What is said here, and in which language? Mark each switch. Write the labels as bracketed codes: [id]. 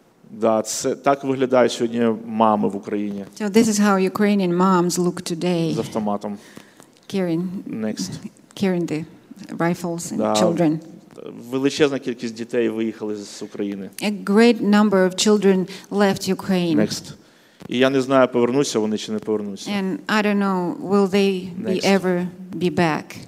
[uk] Да, це так виглядає сьогодні мами в Україні. [en] So this is how Ukrainian moms look today. [uk] З автоматом. [en] Carrying the rifles and children. [uk] Величезна кількість дітей виїхали з України. [en] A great number of children left Ukraine. Next. [uk] І я не знаю, повернуться вони чи не повернуться. [en] And I don't know, will they be ever be back?